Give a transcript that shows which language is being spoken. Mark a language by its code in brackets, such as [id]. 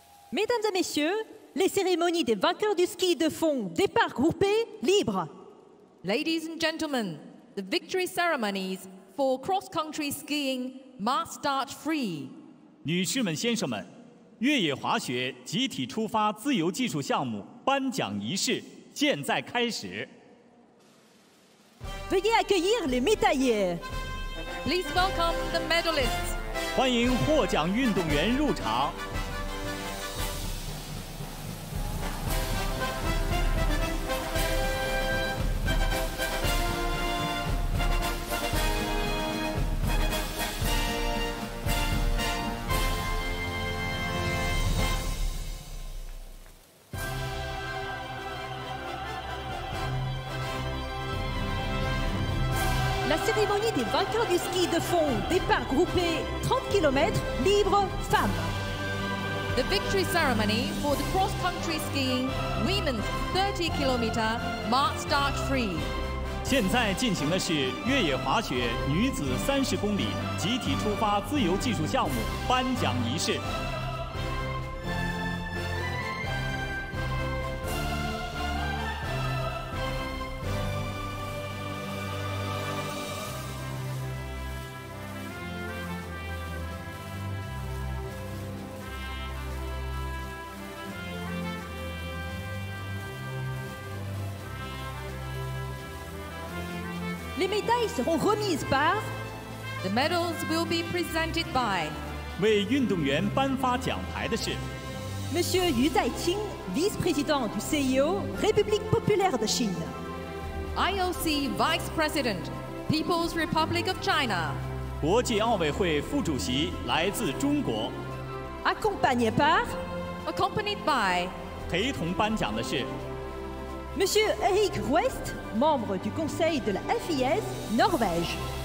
[fr] Mesdames et messieurs, les cérémonies des vainqueurs du ski de fond, départ groupé, libre. [en] Ladies and gentlemen, the victory ceremonies for cross-country skiing must start free. [zh] 女士们、先生们，越野滑雪集体出发自由技术项目颁奖仪式现在开始。 [fr] Veuillez accueillir les médaillés. [en] Please welcome the medalists. [zh] 欢迎获奖运动员入场。 [fr] Cérémonie des vainqueurs du ski de fond. Départ groupé, 30 km, libre, femmes. [en] The victory ceremony for the cross-country skiing, women's 30 km, must start free. [zh] 现在进行的是越野滑雪女子30公里集体出发自由技术项目颁奖仪式。 [fr] Les médailles seront remises par. [en] The medals will be presented by. [zh] 为运动员颁发奖牌的是 [fr] Monsieur Yu Daiqing, vice-président du CIO, République populaire de Chine. [en] IOC vice-president, People's Republic of China. [zh] 国际奥委会副主席来自中国 [fr] Accompagné par. [en] Accompanied by. [zh] 陪同颁奖的是 [fr] Monsieur Eric West. Membre du conseil de la FIS Norvège.